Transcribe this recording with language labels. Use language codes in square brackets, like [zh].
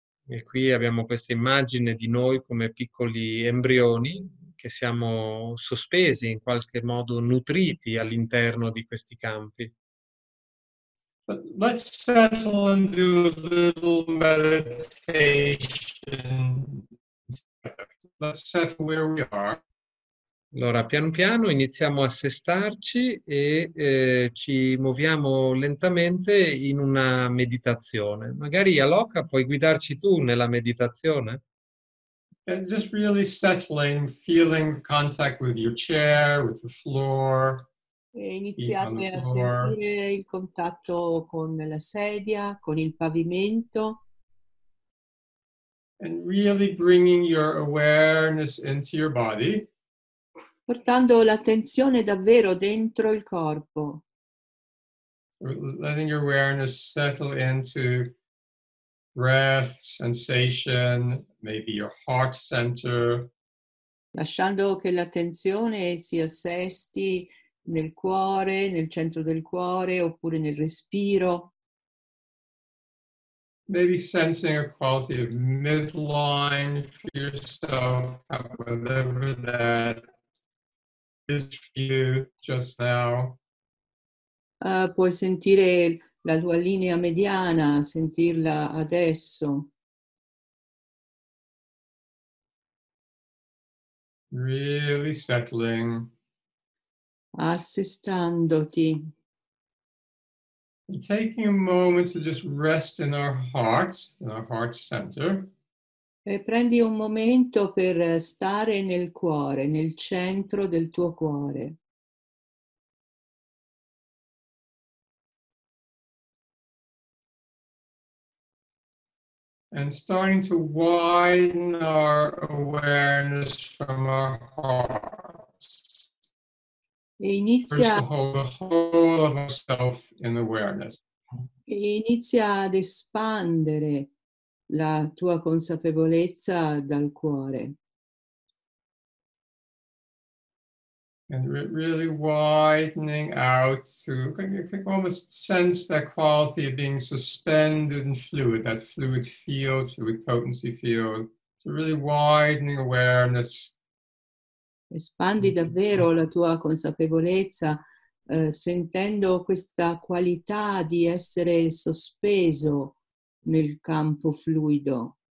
[it] E qui abbiamo questa immagine di noi come piccoli embrioni che siamo sospesi, in qualche modo nutriti all'interno di questi campi. [en] But let's settle and do a little meditation. Let's settle where we are. [it] Allora, piano piano iniziamo a sestarci e ci muoviamo lentamente in una meditazione. Magari, Aloka, puoi guidarci tu nella meditazione? [en] And just really settling, feeling contact with your chair, with the floor. [it] E iniziate a sentire il contatto con la sedia, con il pavimento. [en] And really bringing your awareness into your body. [it] Portando l'attenzione davvero dentro il corpo. [en] Letting your awareness settle into breath, sensation, maybe your heart center. [it] Lasciando che l'attenzione si assesti nel cuore, nel centro del cuore, oppure nel respiro. [en] Maybe sensing a quality of midline for yourself, whatever that is for you just now. [it] Puoi sentire la tua linea mediana, sentirla adesso. [en] Really settling. [it] Assestandoti. [en] And taking a moment to just rest in our hearts, in our heart center. [it] E prendi un momento per stare nel cuore, nel centro del tuo cuore. [en] And starting to widen our awareness from our hearts. [it] E inizia [en] the whole of ourself in awareness. [it] E inizia ad espandere la tua consapevolezza dal cuore. [en] And really widening out to can almost sense that quality of being suspended in fluid, that fluid field, fluid potency field. So really widening awareness. [it] Espandi davvero la tua consapevolezza sentendo questa qualità di essere sospeso nel campo fluido.